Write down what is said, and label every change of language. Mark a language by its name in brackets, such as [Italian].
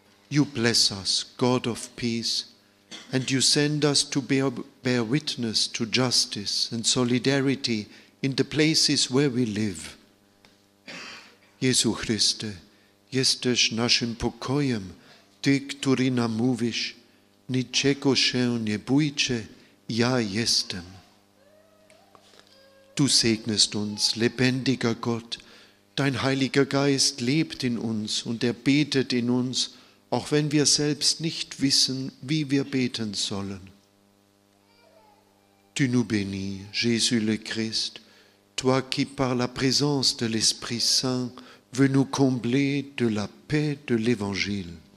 [English] You bless us, God of peace, and You send us to bear witness to justice and solidarity in the places where we live. [Polish] Jezu Chryste, jesteś naszym pokojem, Ty, który nam mówisz, Niczego się nie bójcie, ja jestem. [German] Du segnest uns, lebendiger Gott. Dein Heiliger Geist lebt in uns und er betet in uns, auch wenn wir selbst nicht wissen, wie wir beten sollen. [French] Tu nous bénis, Jésus le Christ, toi qui par la présence de l'Esprit Saint veux nous combler de la paix de l'Évangile.